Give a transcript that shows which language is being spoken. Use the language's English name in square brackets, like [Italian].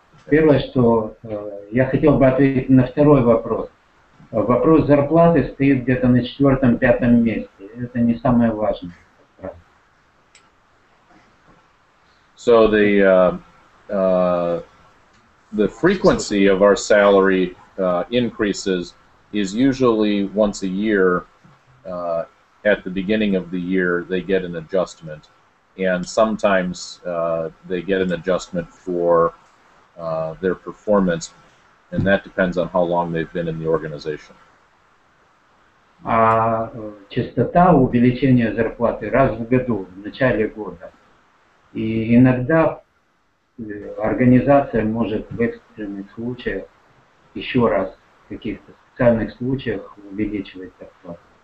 [Russian] Первое, что я хотел бы ответить на второй вопрос. Вопрос зарплаты стоит где-то на четвертом-пятом месте. Это не самое важное. [English] So the frequency of our salary increases is usually once a year. At the beginning of the year, they get an adjustment. And sometimes they get an adjustment for their performance, and that depends on how long they've been in the organization. [Russian] А частота увеличения зарплаты раз в году, в начале года. И иногда организация может в экстренных случаях еще раз в каких-то специальных случаях увеличивать зарплату.